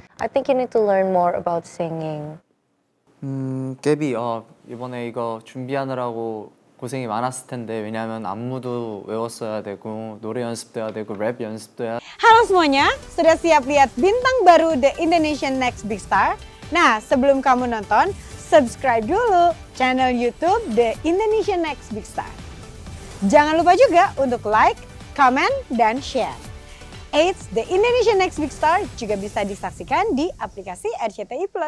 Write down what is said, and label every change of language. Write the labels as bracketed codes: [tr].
[en] I think you need to learn more about singing. [ko] 데뷔, 이번에 이거 준비하느라고 고생이 많았을 텐데 왜냐하면 안무도 외웠어야 되고 노래 연습도 해야 되고 랩 연습도 해야 [id] Halo semuanya, sudah siap lihat bintang baru The Indonesian Next Big Star? Nah, sebelum kamu nonton, subscribe dulu channel YouTube The Indonesian Next Big Star. Jangan lupa juga untuk like, comment, dan share. Eits, The Indonesian Next Big Star juga bisa disaksikan di aplikasi RCTI+.